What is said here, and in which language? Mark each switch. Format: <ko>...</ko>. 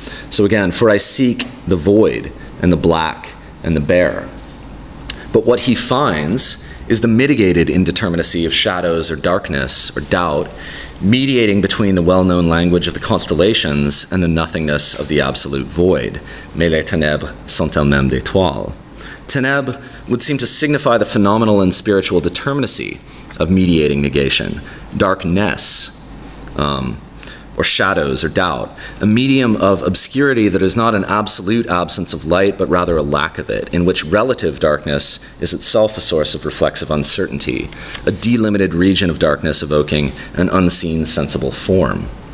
<en>So again, for I seek the void and the black and the bare. But what he finds is the mitigated indeterminacy of shadows or darkness or doubt, mediating between the well-known language of the constellations and the nothingness of the absolute void.</en> <fr>Mais les ténèbres sont elles-mêmes des toiles.</fr> <en>Ténèbres would seem to signify the phenomenal and spiritual determinacy of mediating negation, darkness, or shadows, or doubt, a medium of obscurity that is not an absolute absence of light, but rather a lack of it, in which relative darkness is itself a source of reflexive uncertainty, a delimited region of darkness evoking an unseen sensible form.</en>